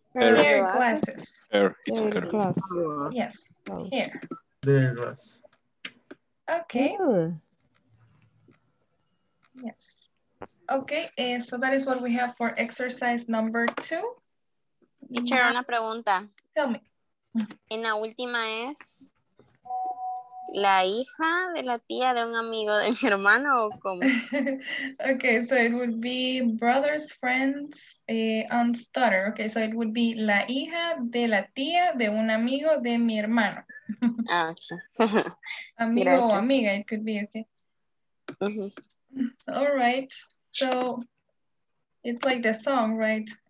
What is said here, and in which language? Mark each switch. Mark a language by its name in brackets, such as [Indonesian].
[English] Hair glasses. Hair. It's hair glass. Yes, hair. Hair glass. Okay. Ooh. Yes. Okay, so that is what we have for exercise number two. Teacher, [Spanish] una pregunta. [English] Tell me. [Spanish] En la última es la hija de la tía de un amigo de mi hermano o cómo? [English] Okay, so it would be brother's friend's aunt's daughter. Okay, so it would be [Spanish] la hija de la tía de un amigo de mi hermano. [English] Okay. [Spanish] Amigo o amiga, [English] it could be, okay. Mm-hmm. All right. So it's like the song, right?